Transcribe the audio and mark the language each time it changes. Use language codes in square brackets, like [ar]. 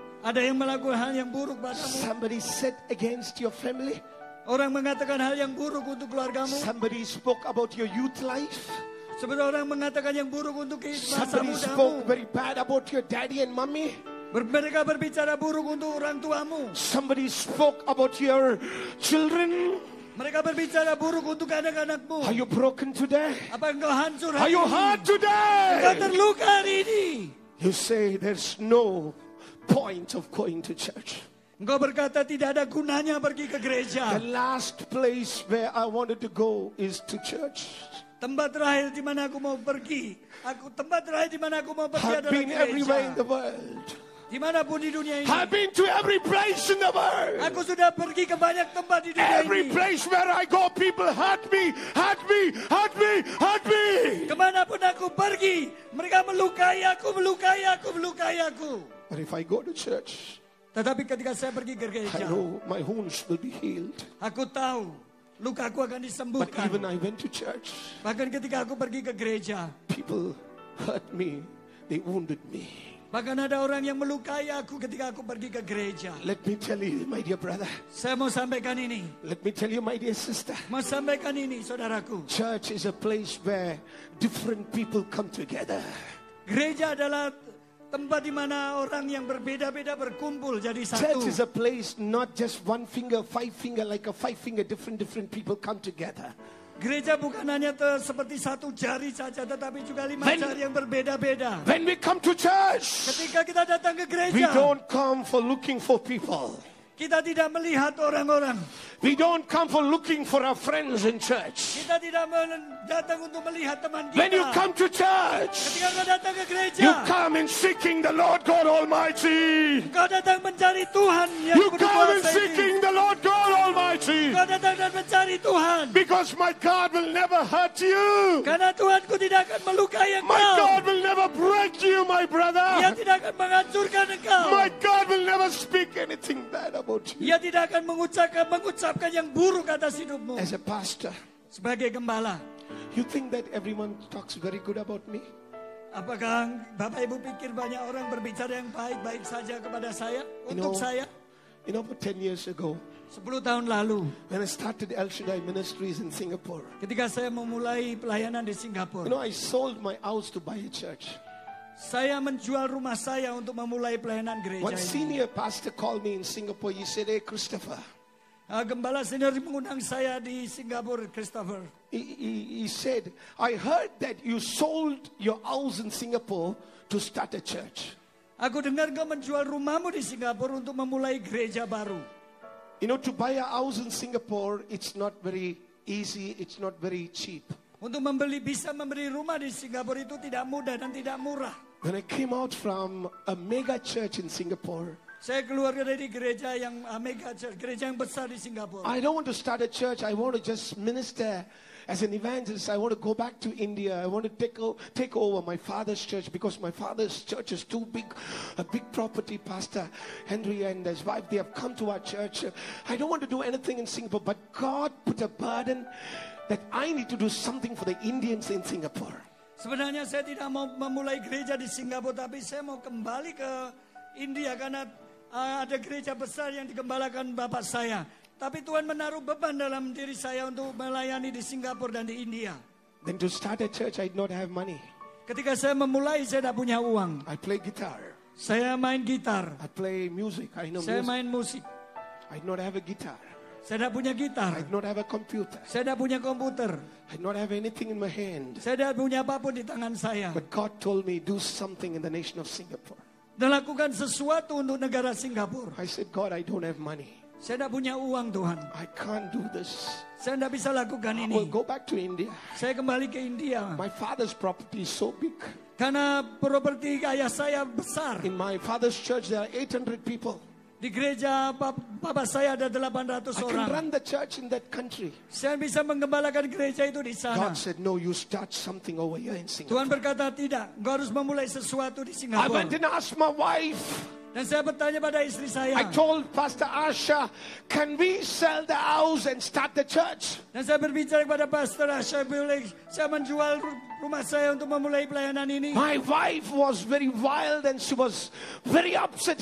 [id] Ada yang melakukan hal yang buruk padamu. [en] Somebody said against your family. [id] Orang mengatakan hal yang buruk untuk keluargamu. [en] Somebody spoke about your youth life. [id] Sebenarnya orang mengatakan yang buruk untuk kehidupan kamu. [en] Somebody spoke very bad about your daddy and mommy. [id] Mereka berbicara buruk untuk orang tuamu. [en] Somebody spoke about your children. [id] Mereka berbicara buruk untuk anak-anakmu. [en] Are you broken today? [id] Apa engkau hancur hari ini? [en] Are you hurt today? [id] Engkau terluka hari ini. [en] You say there's no point of going to church. [id] Engkau berkata tidak ada gunanya pergi ke gereja. [en] The last place where I wanted to go is to church. [id] Tempat terakhir di mana aku mau pergi. Tempat terakhir di mana aku mau pergi adalah gereja. [en] I've been everywhere in the world. [id] Dimanapun di dunia ini. [en] I've been to every place in the world. [id] Aku sudah pergi ke banyak tempat di dunia [en] every Every place where I go, people hurt me, hurt me, hurt me, hurt me. [id] Kemanapun aku pergi, mereka melukai aku, melukai aku, melukai aku. [en] But if I go to church, [id] tetapi ketika saya pergi ke gereja, [en] I know my wounds will be healed. [id] Aku tahu luka aku akan disembuhkan. [en] But even I went to church, [id] bahkan ketika aku pergi ke gereja, [en] people hurt me, they wounded me. [id] Bahkan ada orang yang melukai aku ketika aku pergi ke gereja. [en] Let me tell you, my dear brother. [id] Saya mau sampaikan ini. [en] Let me tell you, my dear sister. [id] Mau sampaikan ini, saudaraku. [en] Church is a place where different people come together. [id] Gereja adalah tempat di mana orang yang berbeda-beda berkumpul jadi satu. [en] Church is a place not just one finger, five finger, like a five finger, different people come together. [id] Gereja bukan hanya seperti satu jari saja, tetapi juga lima jari yang berbeda-beda. [en] When we come to church, [id] ketika kita datang ke gereja, [en] we don't come for looking for people. [id] Kita tidak melihat orang-orang. [en] We don't come for looking for our friends in church. [id] Kita tidak datang untuk melihat teman kita. [en] When you come to church, [id] ketika kau datang ke gereja, [en] you come in seeking the Lord God Almighty. [id] Kau datang mencari Tuhan yang [en] you come in seeking the Lord God Almighty. [id] Kau datang dan mencari Tuhan. [en] Because my God will never hurt you. [id] Karena Tuhanku tidak akan melukai engkau. [en] My God will never break you, my brother. [id] Dia tidak akan menghancurkan engkau. [en] My God will never speak anything bad about you. [id] Dia tidak akan mengucapkan yang buruk atas hidupmu. [en] As a pastor, [id] sebagai gembala, [en] you think that everyone talks very good about me? [id] Apakah Bapak Ibu pikir banyak orang berbicara yang baik-baik saja kepada saya, untuk saya? [en] You know, 10 years ago, [id] 10 tahun lalu, [en] when I started EL-SHADDAI Ministries in Singapore, [id] ketika saya memulai pelayanan di Singapura, [en] you know, I sold my house to buy a church. [id] Saya menjual rumah saya untuk memulai pelayanan gereja. [en] One senior pastor called me in Singapore. He said, "Hey, Christopher." [id] Gembala senior mengundang saya di Singapura, Christopher. [en] He said, "I heard that you sold your house in Singapore to start a church." [id] Aku dengar kau menjual rumahmu di Singapura untuk memulai gereja baru. [en] You know, to buy a house in Singapore, it's not very easy, it's not very cheap. [id] Untuk bisa membeli rumah di Singapura itu tidak mudah dan tidak murah. [en] When I came out from a mega church in Singapore, [id] saya keluar dari gereja yang mega church, gereja yang besar di Singapura. [en] I don't want to start a church. I want to just minister as an evangelist. I want to go back to India. I want to take over my father's church because my father's church is too big, a big property. Pastor Henry and his wife, they have come to our church. I don't want to do anything in Singapore, but God put a burden that I need to do something for the Indians in Singapore. [id] Sebenarnya saya tidak mau memulai gereja di Singapura, tapi saya mau kembali ke India karena ada gereja besar yang digembalakan bapak saya. Tapi Tuhan menaruh beban dalam diri saya untuk melayani di Singapura dan di India. [en] Then to start a church, I did not have money. [id] Ketika saya memulai, saya tidak punya uang. [en] I play guitar. [id] Saya main gitar. [en] I play music. I know [id] saya [en] music. [id] Main musik. [en] I did not have a guitar. [id] Saya tidak punya gitar. [en] I did not have a computer. [id] Saya tidak punya komputer. [en] I did not have anything in my hand. [id] Saya tidak punya apapun di tangan saya. [en] But God told me, do something in the nation of Singapore. [id] Dan lakukan sesuatu untuk negara Singapura. [en] I said, God, I don't have money. [id] Saya tidak punya uang, Tuhan. [en] I can't do this. [id] Saya tidak bisa lakukan ini. [en] I will go back to India. [id] Saya kembali ke India. [en] My father's property is so big. [id] Karena properti ayah saya besar. [en] In my father's church, there are 800 people. [id] Di gereja bapa saya ada 800 orang. [en] I can run the church in that country. [id] Saya bisa mengembalakan gereja itu di sana. [en] God said, "No, you start something over here in Singapore." [id] Tuhan berkata tidak. Kau harus memulai sesuatu di Singapura. [en] I went and asked my wife. [id] Dan saya bertanya pada istri saya. [en] I told Pastor Asha, can we sell the house and start the church? [id] Dan saya berbicara kepada Pastor Asha, boleh saya menjual rumah saya untuk memulai pelayanan ini? [en] My wife was very wild and she was very upset.